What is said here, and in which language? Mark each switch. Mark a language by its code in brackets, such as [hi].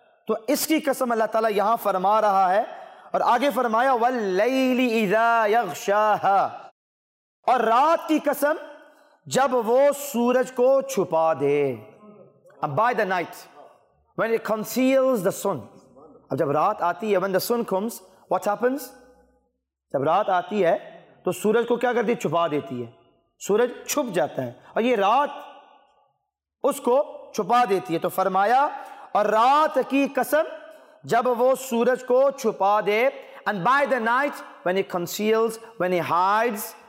[ur] تو اس کی قسم اللہ تعالیٰ یہاں فرما رہا ہے اور آگے فرمایا [ar] وَاللَّيْلِ إِذَا يَغْشَاهَا [ur] اور رات کی قسم جب وہ سورج کو چھپا دے. [en] And by the night, when it conceals the sun. [ur] اب جب رات آتی ہے, [en] when the sun comes, what happens? [ur] جب رات آتی ہے تو سورج کو کیا کرتی ہے؟ چھپا دیتی ہے. سورج چھپ جاتا ہے اور یہ رات اس کو چھپا دیتی ہے. تو فرمایا اور رات کی قسم جب وہ سورج کو چھپا دے. [en] And by the night, when it conceals, when it hides